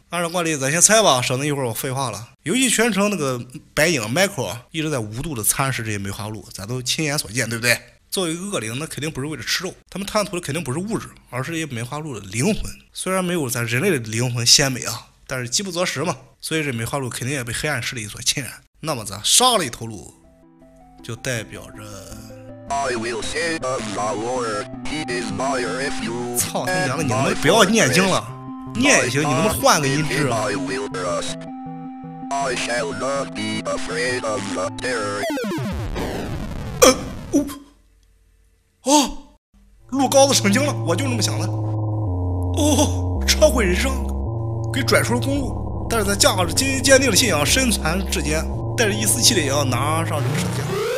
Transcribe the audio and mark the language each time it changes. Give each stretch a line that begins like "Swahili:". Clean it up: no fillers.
Chinese: 按照惯例，咱先猜吧，省得一会儿我废话了。游戏全程那个白影 Michael 一直在无度的蚕食这些梅花鹿，咱都亲眼所见，对不对？作为恶灵，那肯定不是为了吃肉，他们探图的肯定不是物质，而是一些梅花鹿的灵魂。虽然没有咱人类的灵魂鲜美啊，但是饥不择食嘛，所以这梅花鹿肯定也被黑暗势力所侵染。那么咱杀了一头鹿，就代表着。
English: I will say the Lord, he is my refuge.
Chinese: 操你娘的，你们不要念经了，念也行，你能不能换个音质啊？
English: I will trust. I shall not be afraid of the terror.
Chinese: 鹿高子成精了，我就这么想的。哦，忏悔人生，给拽出了公路，但是咱驾着坚定的信仰，身残志坚，带着一丝气力也要拿上这个世界。